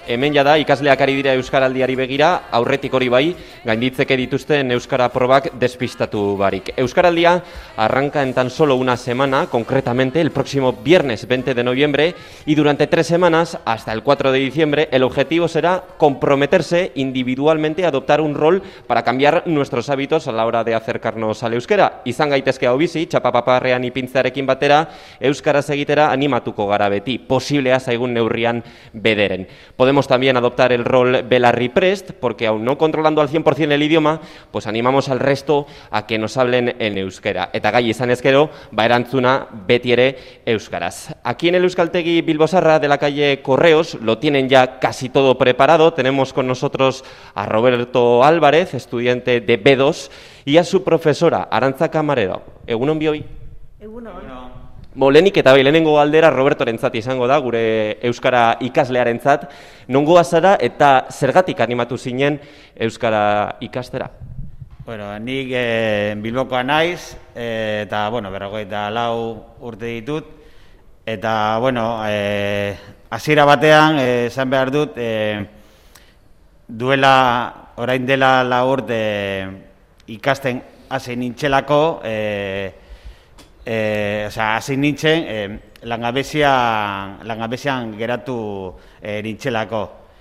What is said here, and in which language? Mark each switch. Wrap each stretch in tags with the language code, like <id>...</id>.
<eu>Hemen jada ikasleak ari dira Euskaraldiari begira, aurretik hori bai, gainditzeke dituzten Euskara probak despistatu barik.</eu> <es>Euskaraldia arranca en tan solo una semana, concretamente el próximo viernes 20 de noviembre, y durante tres semanas, hasta el 4 de diciembre, el objetivo será comprometerse individualmente a adoptar un rol para cambiar nuestros hábitos a la hora de acercarnos al euskera.</es> <eu>Izan gaitezke hau bizi, txapapaparrean ipintzearekin batera, euskaraz egitera animatuko gara beti,</eu> <es>posible hasta según</es> <eu>neurrian bederen.</eu> <es>Podemos también adoptar el rol Belarri Prest, porque aún no controlando al 100% el idioma, pues animamos al resto a que nos hablen en euskera.</es> <eu>Eta gai izan ezkero, ba erantzuna beti ere euskaraz.</eu> <es>Aquí en el Euskaltegi Bilbo Zaharra de la calle Correos lo tienen ya casi todo preparado. Tenemos con nosotros a Roberto Álvarez, estudiante de B2, y a su profesora, Arantza Camarero.</es> <eu>Egunon bioi. Egunon. Lehenik eta bai, lehenengo galdera Robertorentzat izango da, gure euskara ikaslearentzat. Nongoa zara eta zergatik animatu zinen euskara ikastera? Bueno, nik Bilbokoa naiz eta bueno, 44 urte ditut eta bueno, hasiera batean esan behar dut duela orain dela 4 urte ikasten hasi nintzelako hasi nintzen langabezian geratu nintzelako.</eu>